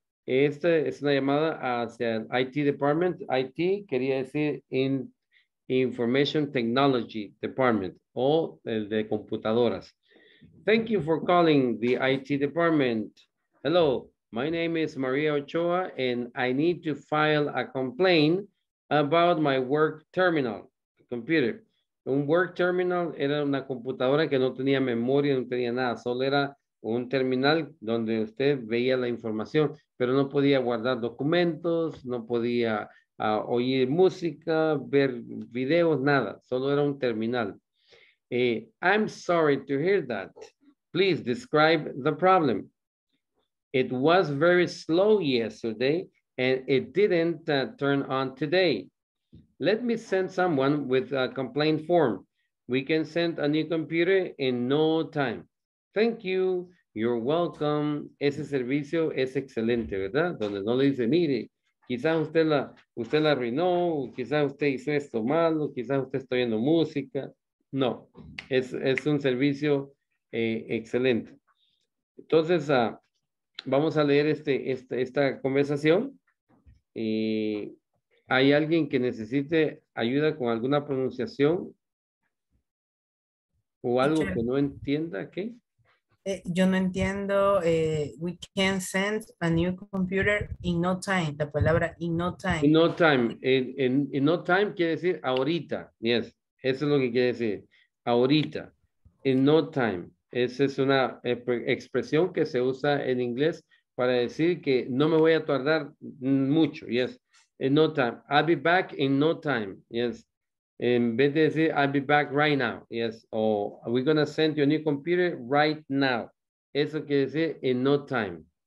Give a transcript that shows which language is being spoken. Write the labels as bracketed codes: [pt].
[es] Esta es una llamada hacia el IT Department. IT quería decir Information Technology Department o el de computadoras. [en] Thank you for calling the IT Department. Hello, my name is Maria Ochoa and I need to file a complaint about my work terminal, computer. [es] Un work terminal era una computadora que no tenía memoria, no tenía nada, solo era un terminal donde usted veía la información, pero no podía guardar documentos, no podía oír música, ver videos, nada, solo era un terminal. [en] I'm sorry to hear that. Please describe the problem. It was very slow yesterday and it didn't turn on today. Let me send someone with a complaint form. We can send a new computer in no time. Thank you. You're welcome. [es] Ese servicio es excelente, ¿verdad? Donde no le dice, mire, quizás usted la arruinó, quizás usted hizo esto malo, quizás usted está oyendo música. No, es un servicio excelente. Entonces, vamos a leer esta conversación. ¿Hay alguien que necesite ayuda con alguna pronunciación? ¿O algo que no entienda? ¿Qué? Yo no entiendo. [en] We can send a new computer in no time. [es] La palabra in no time. [en] In no time. [es] In no time quiere decir ahorita. Yes. Eso es lo que quiere decir. Ahorita. In no time. Esa es una expresión que se usa en inglés para decir que no me voy a tardar mucho. [en] Yes. In no time. I'll be back in no time. Yes. [es] En vez de decir, [en] I'll be back right now. Yes. O we're going to send you a new computer right now. [es] Eso quiere decir in no time.